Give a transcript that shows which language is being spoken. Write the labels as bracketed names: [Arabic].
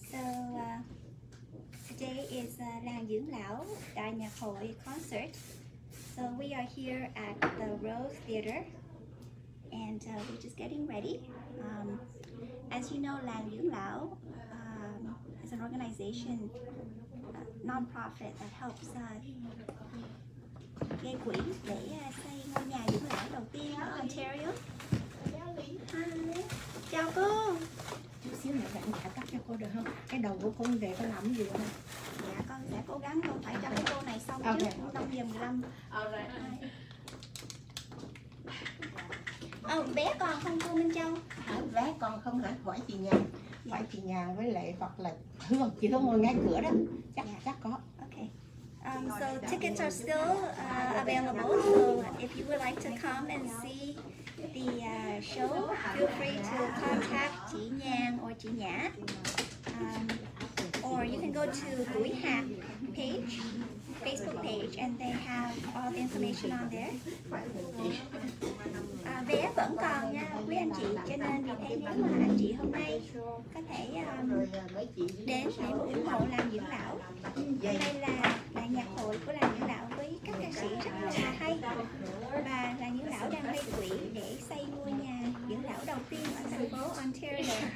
[English] So today is Lang Dương Lão Đại Nhạc Hội concert. So we are here at the Rose Theater, and we're just getting ready. As you know, Lang Dương Lão is an organization, nonprofit that helps [Vietnamese] gây quỹ để xây ngôi nhà dưỡng lão đầu tiên ở Ontario. Hi. Chào cô. Chút xíu nữa bạn đã cắt cho cô được không? Cái đầu của cô về có làm gì không? Dạ, con sẽ cố gắng, con phải cho cái cô này xong trước. Okay. Trong giờ 15. Alright. Bé còn không cô Minh Châu? Hả? Bé còn không hả? Hỏi chị nhà. Dạ. Phải chị nhà với lại hoặc là Hương, chị Hương ngồi ngay cửa đó. Chắc dạ. Chắc có. [English] So tickets are still available, so if you would like to come and see the show, feel free to contact Chi Nhang or Chi Nhã. Or you can go to Gui Ha page, Facebook page, and they have all the information on there. [Vietnamese] Vé vẫn còn nha quý anh chị, cho nên vì thế nếu mà anh chị hôm nay có thể đến để ủng hộ làm dưỡng lão. Hôm nay là đại nhạc hội của làm dưỡng lão với các ca sĩ rất là hay, và làm dưỡng lão đang gây quỹ để xây ngôi nhà dưỡng lão đầu tiên ở thành phố Ontario.